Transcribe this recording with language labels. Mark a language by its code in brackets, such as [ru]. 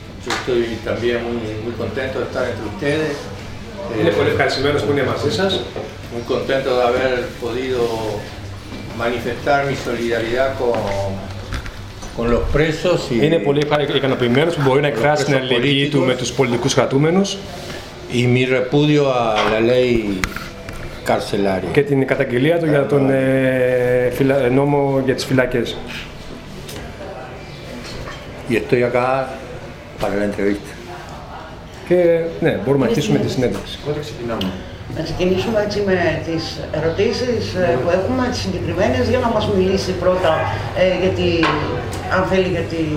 [es] Yo estoy también muy contento de estar entre ustedes. [el] Είναι πολύ ευχαριστημένος που είναι μαζί σας. [es] Muy contento de haber podido manifestar mi solidaridad con los presos y [el] είναι πολύ ικανοποιημένος που μπορεί να εκφράσει την αλληλεγγύη του με τους πολιτικούς κρατούμενους. [es] Y mi repudio a la ley carcelaria. [el] Και την καταγγελία του για τον νόμο για τις φυλάκες. [es] Y estoy acá para la entrevista. [el] Και ναι, μπορούμε να αρχίσουμε τη συνέντευξη. Πότε ξεκινάμε? Να ξεκινήσουμε έτσι με τις ερωτήσεις που έχουμε, τις συγκεκριμένες, για να μας μιλήσει πρώτα, γιατί, αν θέλει, γιατί